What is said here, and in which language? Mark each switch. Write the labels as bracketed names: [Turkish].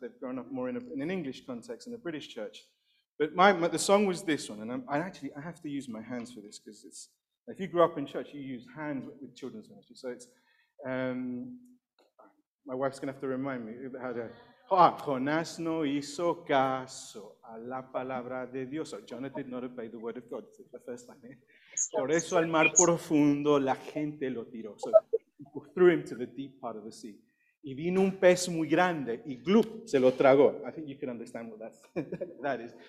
[English] They've grown up more in an English context in a British church. But the song was this one, and I have to use my hands for this, because it's, if you grew up in church, you use hands with children's ministry. So it's, my wife's going to have to remind me how to, [Spanish] Jonás no hizo caso a la palabra de Dios. [English] So Jonah did not obey the word of God. It's the first time. [Spanish] Por eso al mar profundo la gente lo tiró. [English] So threw him to the deep part of the sea. [Spanish] Y vino un pez muy grande y glup, se lo tragó. [English] I think you can understand what that's, that is.